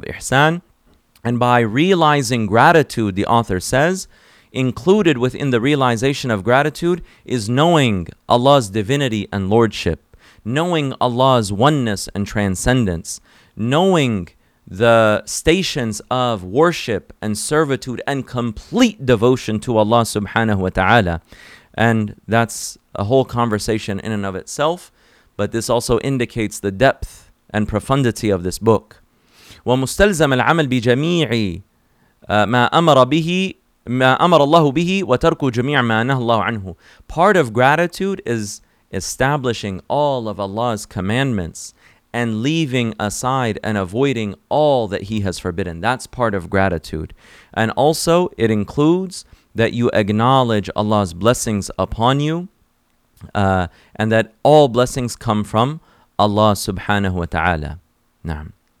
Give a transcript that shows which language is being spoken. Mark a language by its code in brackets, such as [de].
[en] And by realizing gratitude, the author says, included within the realization of gratitude is knowing Allah's divinity and lordship, knowing Allah's oneness and transcendence, knowing the stations of worship and servitude and complete devotion to Allah subhanahu wa ta'ala. And that's a whole conversation in and of itself, but this also indicates the depth and profundity of this book. [ar] ومستلزم العمل بجميع ما أمر الله به وترك جميع ما نهى الله عنه. [en] Part of gratitude is establishing all of Allah's commandments and leaving aside and avoiding all that he has forbidden. That's part of gratitude. And also, it includes that you acknowledge Allah's blessings upon you, and that all blessings come from Allah subhanahu wa ta'ala. Na'am.